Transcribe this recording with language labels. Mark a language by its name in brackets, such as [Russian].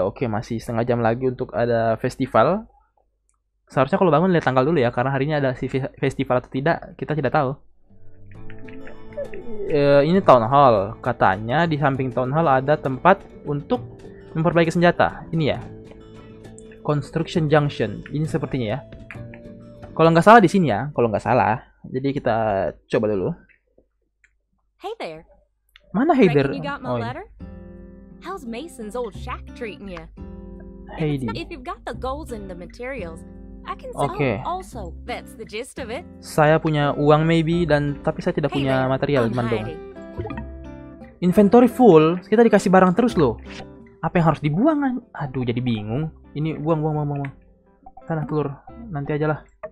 [Indonesian] Oke, okay, masih setengah jam lagi untuk ada festival. Seharusnya kalau bangun lihat tanggal dulu ya, karena hari ini ada si festival atau tidak, kita tidak tahu. Ini town hall. Katanya di samping town hall ada tempat untuk memperbaiki senjata. Ini ya. [English] Construction Junction. [Indonesian] Ini sepertinya ya. Kalau nggak salah di sini ya, kalau nggak salah. Jadi kita coba dulu. [English] Hey there. [Indonesian] Mana hey there? [English] You got my letter? How's Mason's old shack treating you? Hey, if you've got the goals and the materials, I can sell. Okay. Also, that's the gist of it. [Indonesian] Saya punya uang maybe dan tapi saya tidak punya material, gimana dong? [English] Inventory full, [Indonesian] kita dikasih barang terus loh. Apa yang harus dibuang? Aduh, jadi bingung. Ini buang. Sana telur, nanti ajalah.